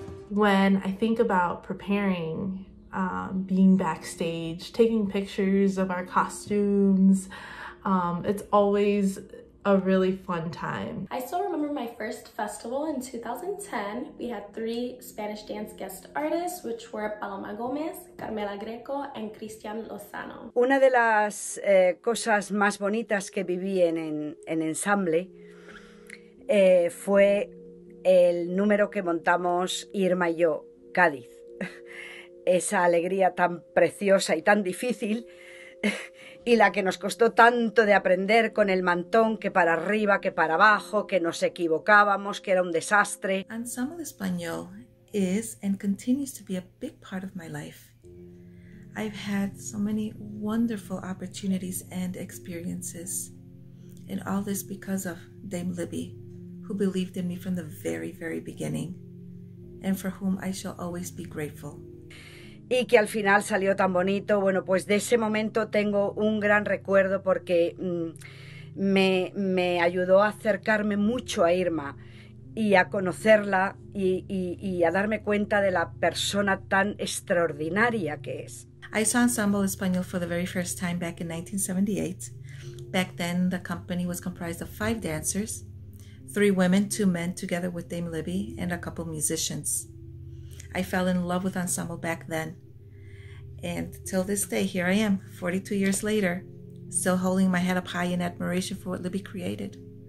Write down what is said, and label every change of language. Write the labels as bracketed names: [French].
[English] When I think about preparing, being backstage, taking pictures of our costumes, it's always a really fun time. I still remember my first festival in 2010. We had three Spanish dance guest artists, which were Paloma Gómez, Carmela Greco, and Cristian Lozano. [Spanish] Una de las cosas más bonitas que viví en Ensemble fue el número que montamos Irma y yo, Cádiz. Esa alegría tan preciosa y tan difícil, y la que nos costó tanto de aprender con el mantón, que para arriba, que para abajo, que nos equivocábamos, que era un desastre. [English] Ensemble Español is and continues to be a big part of my life. I've had so many wonderful opportunities and experiences, and all this because of Dame Libby, who believed in me from the very, very beginning, and for whom I shall always be grateful. [Spanish] Y que al final salió tan bonito. Bueno, pues de ese momento tengo un gran recuerdo porque me ayudó a acercarme mucho a Irma y a conocerla y a darme cuenta de la persona tan extraordinaria que es. [English] I saw Ensemble Español for the very first time back in 1978. Back then, the company was comprised of 5 dancers, 3 women, 2 men, together with Dame Libby and a couple musicians. I fell in love with Ensemble back then. And till this day, here I am, 42 years later, still holding my head up high in admiration for what Libby created.